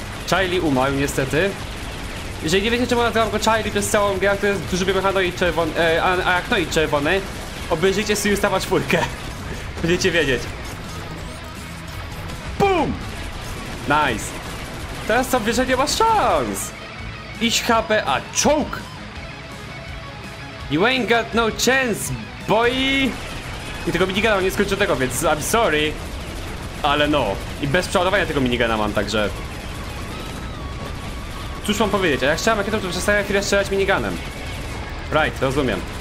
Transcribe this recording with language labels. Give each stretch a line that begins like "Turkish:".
Polish: Charlie umarł niestety. Jeżeli nie wiecie, czemu nazywam go Charlie przez całą grę, to jest duży mechanoid czerwony, arachnoid czerwony. Obejrzyjcie sobie ustawa czwórkę. Będziecie wiedzieć. BUM!
English: Nice.
Polish: Teraz tam wieża nie ma szans. Iść HP, a choke!
English: You ain't got no chance, boy!
Polish: I tego minigana mam nieskończonego, więc
English: I'm sorry.
Polish: Ale no. I bez przeładowania tego minigana mam, także... Cóż mam powiedzieć, a jak chciałem rakietą, to przestałem chwilę strzelać miniganem.
English: Right,
Polish: rozumiem.